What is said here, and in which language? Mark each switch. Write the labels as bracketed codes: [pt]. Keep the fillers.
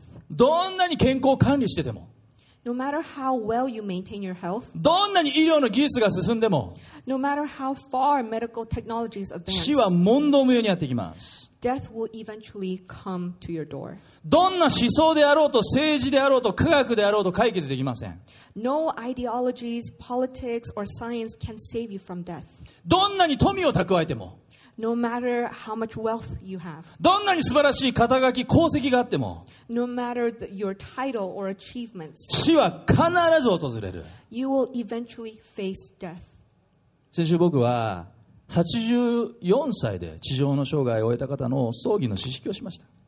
[ja] どんなに健康を管理してても、 [en] no how well、you maintain your health, [ja] どんなに医療の技術が進んでも、 [en] no、matter how far medical technologies advance, [ja] 死は問答無用にやってきます。 [en] Death will eventually come to your door. [ja] どんな思想であろうと政治であろうと科学であろうと解決できません。 [en] No、ideologies, politics or science can save you from death. [ja] どんなに富を蓄えても。 [en] No、matter how much wealth you have. [ja] どんなに素晴らしい肩書き功績があっても、 [en] no、matter your title or achievements, [ja] 死は必ず訪れる [en] you will eventually face death. [ja] 先週僕は84歳で地上の生涯を終えた方の葬儀の指式をしました